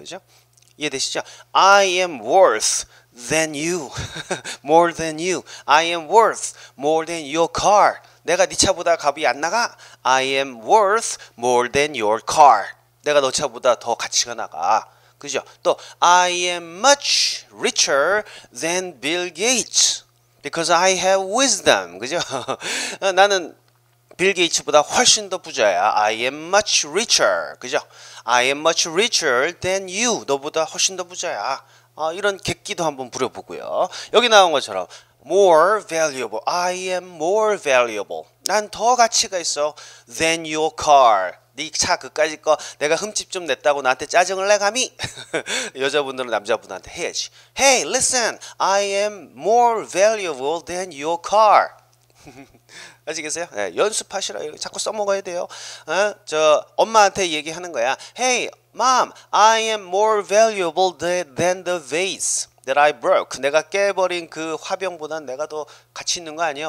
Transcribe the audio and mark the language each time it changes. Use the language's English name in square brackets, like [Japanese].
[Korean] 그죠? 이해되시죠? [English] I am worth than you. more than you. I am worth more than your car. [Korean] 내가 네 차보다 값이 안 나가? [English] I am worth more than your car. [Korean] 내가 너 차보다 더 가치가 나가. 그죠? [English] 또 I am much richer than Bill Gates because I have wisdom. [Korean] 그죠? 나는 빌 게이츠보다 훨씬 더 부자야. [English] I am much richer. [Korean] 그죠? [English] I am much richer than you. [Korean] 너보다 훨씬 더 부자야. 이런 객기도 한번 부려보고요. 여기 나온 것처럼 [English] more valuable. I am more valuable. [Korean] 난 더 가치가 있어 [English] than your car. [Korean] 네 차 그까짓 거 내가 흠집 좀 냈다고 나한테 짜증을 내 감히. 여자분들은 남자분한테 해야지. [English] Hey, listen. I am more valuable than your car. [Korean] 아시겠어요? 네, 연습하시라. 자꾸 써먹어야 돼요. 엄마한테 얘기하는 거야. [English] Hey, mom. I am more valuable than the vase that I broke. [Korean] 내가 깨버린 그 화병보단 내가 더 가치 있는 거 아니야?